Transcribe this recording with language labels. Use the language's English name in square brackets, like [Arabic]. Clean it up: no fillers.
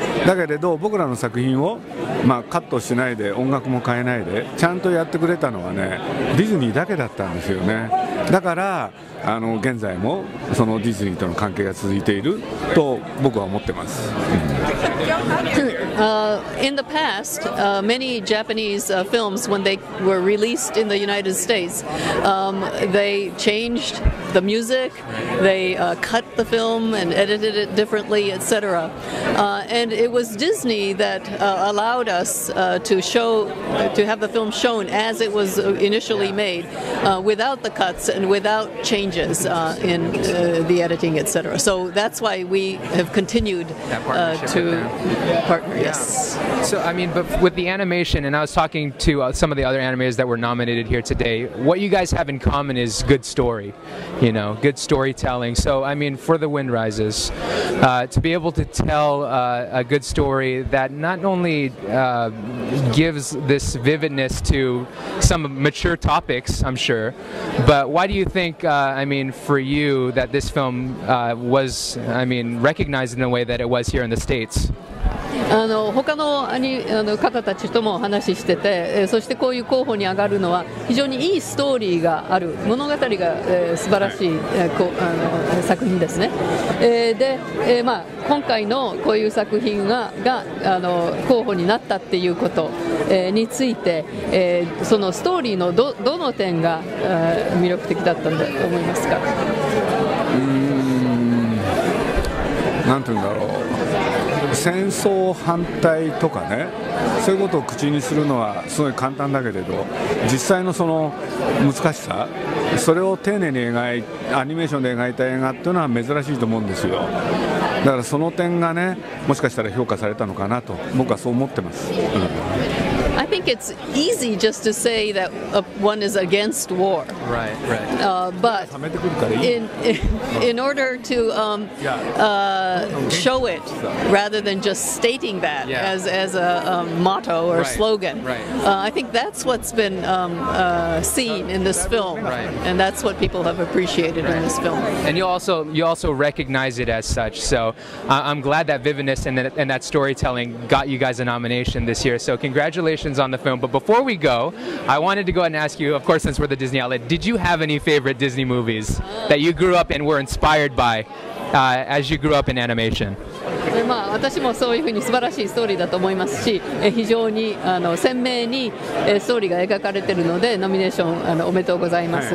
[Japanese] だけれど僕らの作品を、カットしないで音楽も変えないでちゃんとやってくれたのはね、ディズニーだけだったんですよね。だから現在もそのディズニーとの関係が続いていると僕は思ってます。 [English] In the past, many Japanese films, when they were released in the United States, they changed the music, they cut the film and edited it differently, etc. And it was Disney that allowed us to have the film shown as it was initially made, without the cuts and without changes in the editing, etc. So that's why we have continued to partner. Yes. So, I mean, but with the animation, and I was talking to some of the other animators that were nominated here today, what you guys have in common is good story, you know, good storytelling. So, I mean, for The Wind Rises, to be able to tell a good story that not only gives this vividness to some mature topics, I'm sure, but why do you think, for you, that this film was, recognized in the way that it was here in the States? [Japanese] 他の方たちとも話してて、そしてこういう候補に上がるのは非常にいいストーリーがある、物語が、素晴らしい、作品ですね。で、今回のこういう作品 が候補になったっていうことについて、そのストーリーの どの点が魅力的だったんだと思いますか。なんて言うんだろう、戦争反対とかね、そういうことを口にするのはすごい簡単だけれど、実際のその難しさ、それを丁寧に描いアニメーションで描いた映画っていうのは珍しいと思うんですよ。だからその点がね、もしかしたら評価されたのかなと僕はそう思ってます。 [English] I think it's easy just to say that one is against war. Right, right. But in order to show it, rather than just stating that as a motto or right, slogan, I think that's what's been seen in this film, right. And that's what people have appreciated right. in this film. And you also recognize it as such. So I'm glad that vividness and that storytelling got you guys a nomination this year. So congratulations on the film. But before we go, I wanted to go ahead and ask you, of course, since we're the Disney outlet, did you have any favorite Disney movies that you grew up and were inspired by as you grew up in animation? [Japanese] 私もそういうふうに素晴らしいストーリーだと思いますし、非常に鮮明にストーリーが描かれているので、ノミネーションおめでとうございます。